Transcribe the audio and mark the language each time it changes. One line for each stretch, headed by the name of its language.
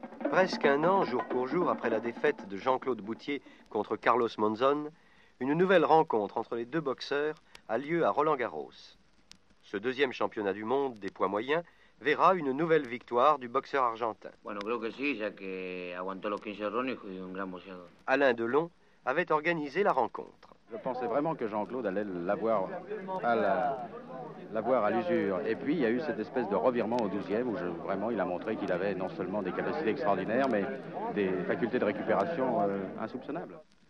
French: Presque un an, jour pour jour, après la défaite de Jean-Claude Boutier contre Carlos Monzón, une nouvelle rencontre entre les deux boxeurs a lieu à Roland-Garros. Ce deuxième championnat du monde des poids moyens verra une nouvelle victoire du boxeur argentin.
Spanish: Bueno, creo que sí, ya que aguantó los 15 rounds y fue un gran boxeador.
French: Alain Delon avait organisé la rencontre. Je pensais vraiment que Jean-Claude allait l'avoir à l'usure. Et puis, il y a eu cette espèce de revirement au 12e où vraiment il a montré qu'il avait non seulement des capacités extraordinaires, mais des facultés de récupération insoupçonnables.